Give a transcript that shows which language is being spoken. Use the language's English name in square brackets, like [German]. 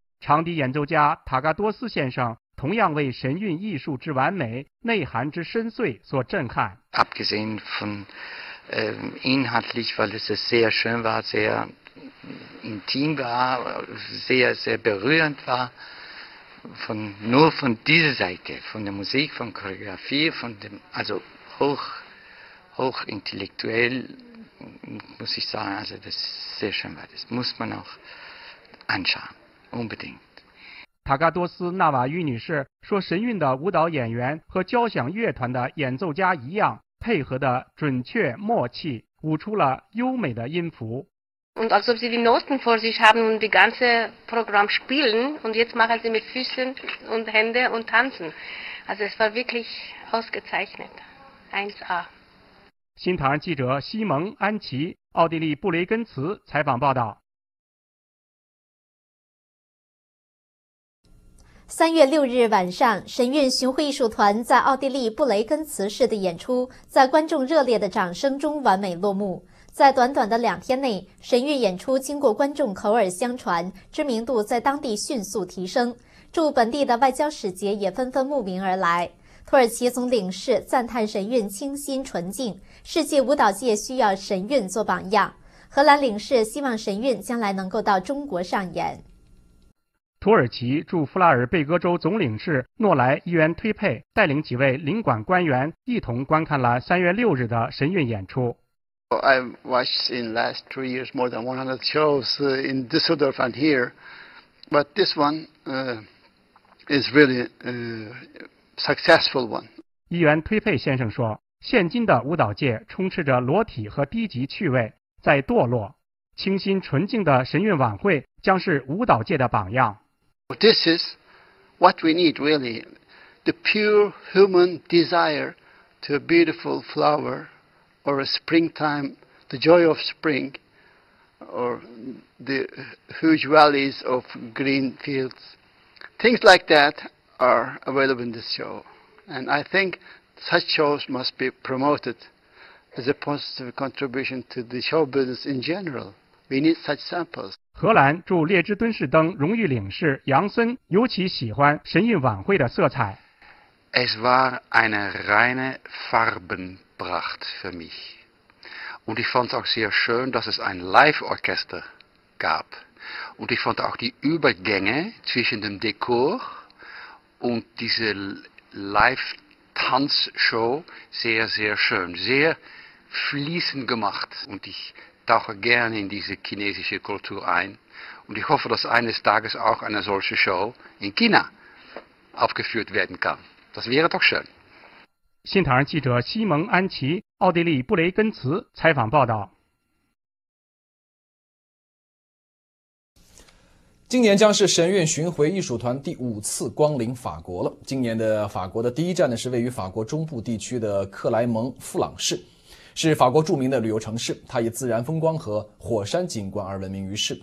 [Chinese] 长笛演奏家塔嘎多斯先生同样为神韵艺术之完美、内涵之深邃所震撼。 [German] Abgesehen von inhaltlich, weil es sehr schön war, sehr intim war, sehr, sehr berührend war,nur von dieser Seite, von der Musik, von Choreografie, von dem, also hoch intellektuell, muss ich sagen, also das ist sehr schön, weil das muss man auch anschauen, unbedingt. [Chinese] 塔嘎多斯·纳瓦伊女士说，神韵的舞蹈演员和交响乐团的演奏家一样，配合的准确默契，舞出了优美的音符。 [German] Und als ob sie die Noten vor sich haben und die ganze Programm spielen und jetzt machen sie mit Füßen und Händen und tanzen. Also es war wirklich ausgezeichnet. 1A. [Chinese] 新唐人记者西蒙·安琪，奥地利布雷根茨采访报道。 3月6日晚上，神韵巡回艺术团在奥地利布雷根茨市的演出在观众热烈的掌声中完美落幕。在短短的两天内，神韵演出经过观众口耳相传，知名度在当地迅速提升，驻本地的外交使节也纷纷慕名而来。土耳其总领事赞叹神韵清新纯净，世界舞蹈界需要神韵做榜样。荷兰领事希望神韵将来能够到中国上演。土耳其驻弗拉尔贝戈州总领事诺莱伊元推佩带领几位领馆官员一同观看了3月6日的神韵演出。 [English] I watched in the last 3 years more than 100 shows in Düsseldorf and here, but this one is really a successful one. [Chinese] 议员推佩先生说，现今的舞蹈界充斥着裸体和低级趣味在堕落，清新纯净的神韵晚会将是舞蹈界的榜样。 [English] This is what we need really, the pure human desire to a beautiful flower or a springtime, the joy of spring or the huge valleys of green fields. Things like that are available in this show, and I think such shows must be promoted as a positive contribution to the show business in general. We need such samples. [Chinese] 荷兰驻列支敦士登荣誉领事杨森尤其喜欢神韵晚会的色彩。 [German] Es war eine reine Farbenpracht für mich. Und ich fand es auch sehr schön, dass es ein Live-Orchester gab. Und ich fand auch die Übergänge zwischen dem Dekor und diese Live-Tanzshow sehr, sehr schön, sehr fließend gemacht. Und ich tauche gerne in diese chinesische Kultur ein. Und ich hoffe, dass eines Tages auch eine solche Show in China aufgeführt werden kann. Das wäre doch schön. [Chinese] 新唐人记者西蒙·安琪，奥地利布雷根茨采访报道。今年将是神韵巡回艺术团第五次光临法国了。今年的法国的第一站呢，是位于法国中部地区的克莱蒙富朗市，是法国著名的旅游城市，它以自然风光和火山景观而闻名于世。